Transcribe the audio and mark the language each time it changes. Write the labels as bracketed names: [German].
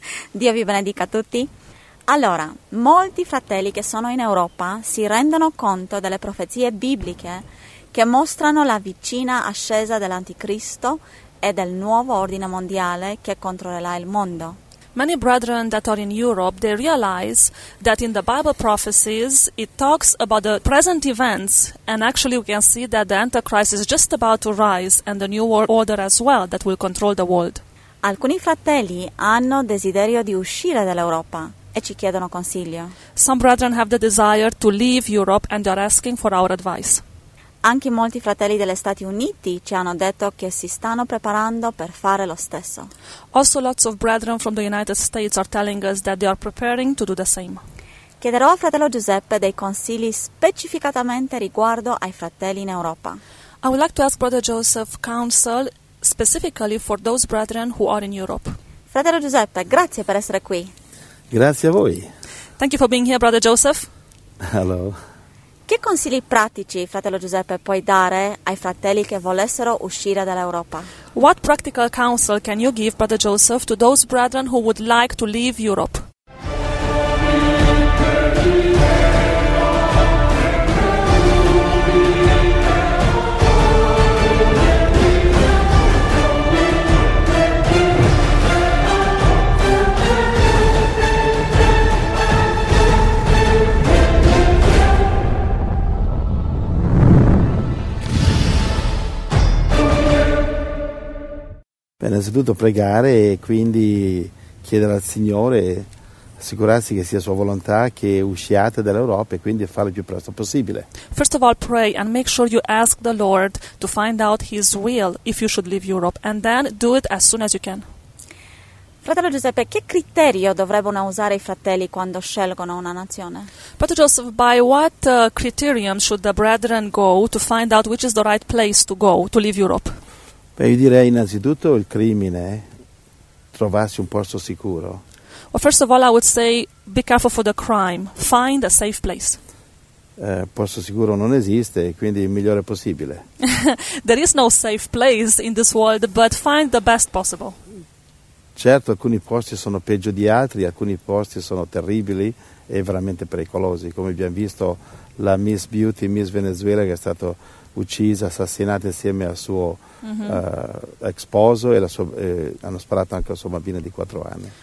[Italian] Dio vi benedica tutti. Allora, molti fratelli che sono in Europa si rendono conto delle profezie bibliche che mostrano la vicina ascesa dell'Anticristo e del nuovo ordine mondiale che controllerà il mondo. [English] Many brethren that are in Europe, they realize that in the Bible prophecies, it talks about the present events, and actually we can see that the Antichrist is just about to rise, and the new world order as well, that will control the world. [Italian] Alcuni fratelli hanno desiderio di uscire dall'Europa e ci chiedono consiglio. [English] Some brethren have the desire to leave Europe and they are asking for our advice. [Italian] Anche molti fratelli degli Stati Uniti ci hanno detto che si stanno preparando per fare lo stesso. [English] Also lots of brethren from the United States are telling us that they are preparing to do the same. [Italian] Chiederò a fratello Giuseppe dei consigli specificatamente riguardo ai fratelli in Europa. [English] I would like to ask brother Joseph counsel specifically for those brethren who are in Europe. [Italian] Fratello Giuseppe, grazie per essere qui. Grazie a voi. [English] Thank you for being here, brother Joseph. Hello. [Italian] Che consigli pratici, fratello Giuseppe, puoi dare ai fratelli che volessero uscire dall'Europa? [English] What practical counsel can you give, brother Joseph, to those brethren who would like to leave Europe? [Italian] Innanzitutto pregare e quindi chiedere al Signore, assicurarsi che sia sua volontà che usciate dall'Europa e quindi farlo il più presto possibile. [English] First of all, pray and make sure you ask the Lord to find out His will if you should leave Europe, and then do it as soon as you can. [Italian] Fratello Giuseppe, che criterio dovrebbero usare i fratelli quando scelgono una nazione? [English] Brother Joseph, by what criterion should the brethren go to find out which is the right place to go to leave Europe? [Italian] Beh, io direi innanzitutto il crimine, trovarsi un posto sicuro. [English] Well, first of all, I would say be careful for the crime, find a safe place. [Italian] Posto sicuro non esiste, quindi il migliore possibile. [English] There is no safe place in this world, but find the best possible. [Italian] Certo, alcuni posti sono peggio di altri, alcuni posti sono terribili e veramente pericolosi, come abbiamo visto la Miss Beauty, Miss Venezuela, che è stato uccisa, assassinata insieme al suo ex sposo, e la sua, hanno sparato anche al suo bambino di 4 anni.